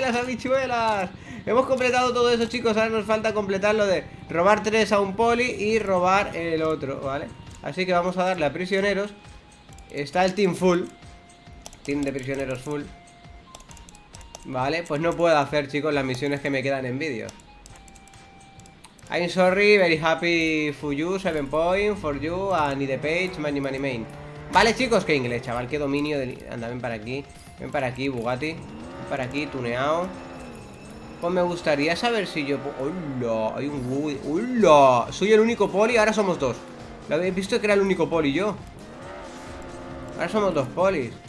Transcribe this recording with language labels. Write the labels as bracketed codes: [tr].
[es] ¡Las habichuelas! Hemos completado todo eso, chicos. Ahora nos falta completar lo de robar 3 a un poli y robar el otro, ¿vale? Así que vamos a darle a prisioneros. Está el team full. Team de prisioneros full. Vale, pues no puedo hacer, chicos, las misiones que me quedan en vídeo. [en] I'm sorry, very happy for you, 7 points for you, and the page, money, money, main. [es] Vale, chicos, qué inglés, chaval, qué dominio del... Anda, ven para aquí. Ven para aquí, Bugatti. Ven para aquí, tuneado. Pues me gustaría saber si yo... ¡Hola! Hay un Woody. ¡Hola! Soy el único poli, ahora somos dos. Lo habéis visto que era el único poli yo. Ahora somos dos polis.